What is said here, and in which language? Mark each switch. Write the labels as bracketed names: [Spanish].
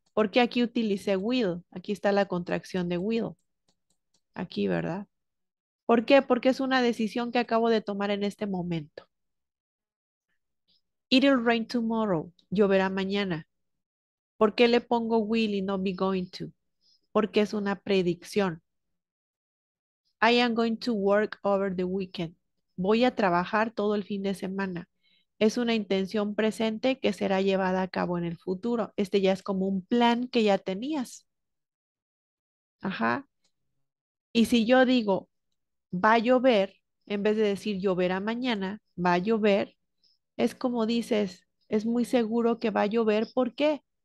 [Spanish] ¿Por qué aquí utilicé will? Aquí está la contracción de will. Aquí, ¿verdad? ¿Por qué? Porque es una decisión que acabo de tomar en este momento. [English] It'll rain tomorrow. [Spanish] Lloverá mañana. ¿Por qué le pongo will y no be going to? Porque es una predicción. [English] I am going to work over the weekend. [Spanish] Voy a trabajar todo el fin de semana. Es una intención presente que será llevada a cabo en el futuro. Este ya es como un plan que ya tenías. Ajá. Y si yo digo, va a llover, en vez de decir lloverá mañana, va a llover, es como dices, es muy seguro que va a llover. ¿Por qué?